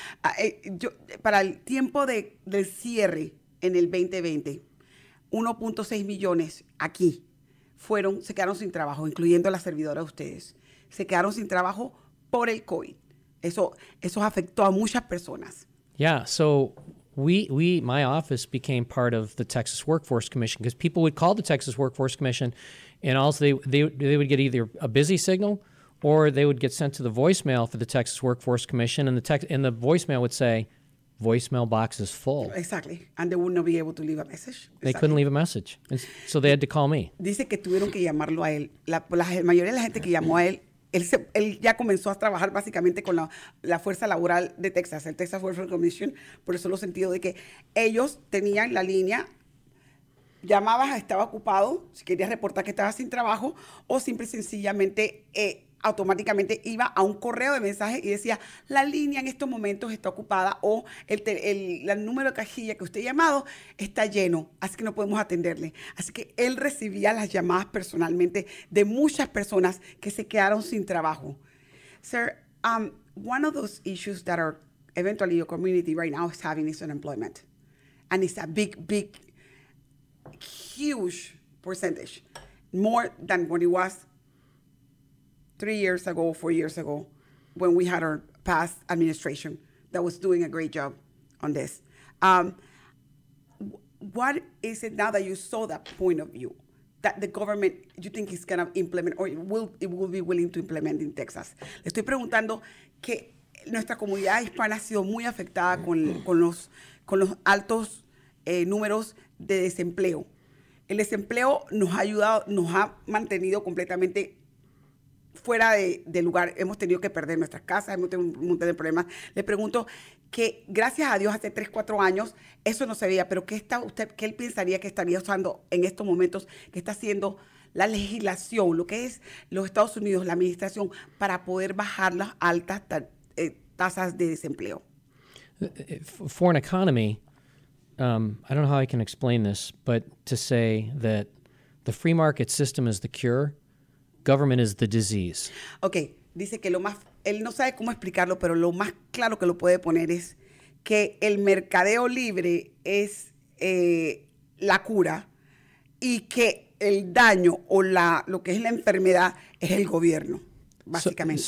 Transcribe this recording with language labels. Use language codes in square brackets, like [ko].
[es] Para el tiempo del cierre en el 2020, 1.6 millones aquí se quedaron sin trabajo, incluyendo las servidoras de ustedes. Se quedaron sin trabajo por el COVID. Eso afectó a muchas personas. [en] Yeah, so we my office became part of the Texas Workforce Commission, because people would call the Texas Workforce Commission, and also they would get either a busy signal, or they would get sent to the voicemail for the Texas Workforce Commission, and the voicemail would say, voicemail box is full. Exactly. And they would not be able to leave a message. They couldn't leave a message. So they had to call me. [es] Dice que tuvieron que llamarlo a él. La mayoría de la gente que llamó a él, él ya comenzó a trabajar básicamente con la fuerza laboral de Texas, el Texas Workforce Commission, por eso lo sentido de que ellos tenían la línea, llamabas, estaba ocupado, si querías reportar que estabas sin trabajo, o simple y sencillamente automáticamente iba a un correo de mensaje y decía, la línea en estos momentos está ocupada o el número de cajilla que usted ha llamado está lleno, así que no podemos atenderle. Así que él recibía las llamadas personalmente de muchas personas que se quedaron sin trabajo. [en] Sir, one of those issues that are eventually your community right now is having is unemployment. And it's a big, big, huge percentage. More than what it was 3 years ago, 4 years ago, when we had our past administration that was doing a great job on this. What is it now that you saw that point of view that the government, you think is going to implement or it will be willing to implement in Texas? [es] Le estoy preguntando que nuestra comunidad hispana ha sido muy afectada con los altos números de desempleo. El desempleo nos ha ayudado, nos ha mantenido completamente fuera de lugar, hemos tenido que perder nuestras casas, hemos tenido un montón de problemas. Le pregunto que, gracias a Dios, hace 3-4 años, eso no se veía, pero ¿qué está usted, qué él pensaría que estaría usando en estos momentos, que está haciendo la legislación, lo que es los Estados Unidos, la administración, para poder bajar las altas tasas de desempleo? [en] For an economy, I don't know how I can explain this, but to say that the free market system is the cure, government is the disease. [es] Okay, dice que lo más, él no sabe cómo explicarlo, pero lo más claro que lo puede poner es que el mercadeo libre es la cura, y que el daño o lo que es la enfermedad es el gobierno, básicamente.